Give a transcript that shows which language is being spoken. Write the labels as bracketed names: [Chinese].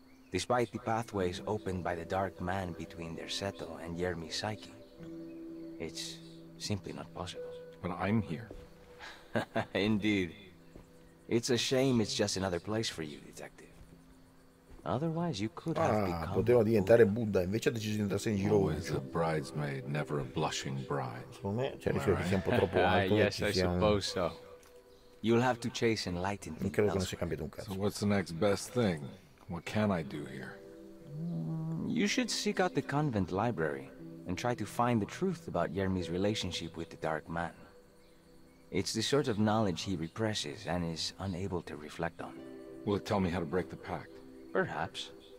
[English] Despite the pathways opened by the dark man between their Seto and Yermi's psyche, it's simply not possible. But I'm here. Indeed. It's a shame it's just another place for you, detective. Otherwise you could have become [Italian] poteva diventare Buddha, invece ha deciso di andarsene in giro. [English] Always a bridesmaid, never a blushing bride. [Italian] Secondo me, cioè, rischio che sia un po' troppo alto. [English] Yes, I suppose so. You'll have to chase enlightenment. [Italian] Non credo che non sia cambiato un cazzo. [English] So what's the next best thing? What can I do here? You should seek out the convent library and try to find the truth about Yermi's relationship with the dark man. It's the sort of knowledge he represses and is unable to reflect on. Will it tell me how to break the pact? Perhaps.